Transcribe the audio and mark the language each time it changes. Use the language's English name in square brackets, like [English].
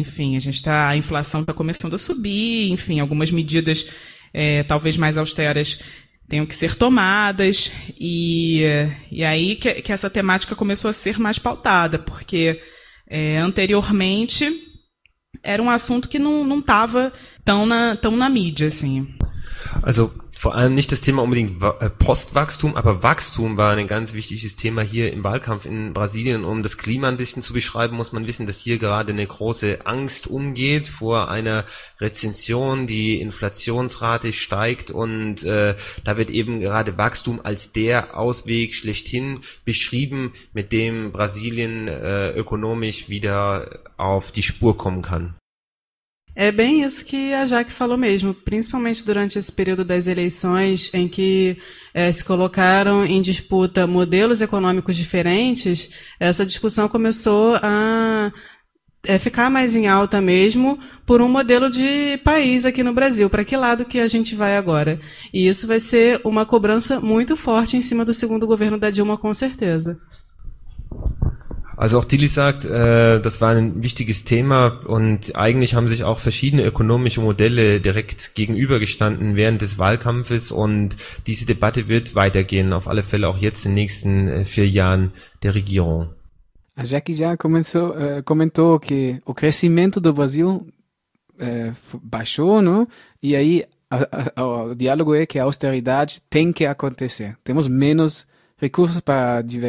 [Portuguese] Enfim, a inflação está começando a subir, enfim, algumas medidas talvez mais austeras tenham que ser tomadas, e aí que essa temática começou a ser mais pautada, porque anteriormente era um assunto que não estava tão na mídia, assim. [German] Also, vor allem nicht das Thema unbedingt Postwachstum, aber Wachstum war ein ganz wichtiges Thema hier im Wahlkampf in Brasilien. Um das Klima ein bisschen zu beschreiben, muss man wissen, dass hier gerade eine große Angst umgeht vor einer Rezession, die Inflationsrate steigt und da wird eben gerade Wachstum als der Ausweg schlechthin beschrieben, mit dem Brasilien ökonomisch wieder auf die Spur kommen kann. [Portuguese] É bem isso que a Jaque falou mesmo, principalmente durante esse período das eleições em que se colocaram em disputa modelos econômicos diferentes, essa discussão começou a ficar mais em alta mesmo por um modelo de país aqui no Brasil, para que lado que a gente vai agora? E isso vai ser uma cobrança muito forte em cima do segundo governo da Dilma, com certeza. [German] Also auch Tilly sagt, das war ein wichtiges Thema und eigentlich haben sich auch verschiedene ökonomische Modelle direkt gegenübergestanden während des Wahlkampfes und diese Debatte wird weitergehen, auf alle Fälle auch jetzt in den nächsten 4 Jahren der Regierung. [Portuguese] A Jackie já comentou que o crescimento do Brasil baixou, não? E aí o diálogo é que a austeridade tem que acontecer. Temos menos recursos para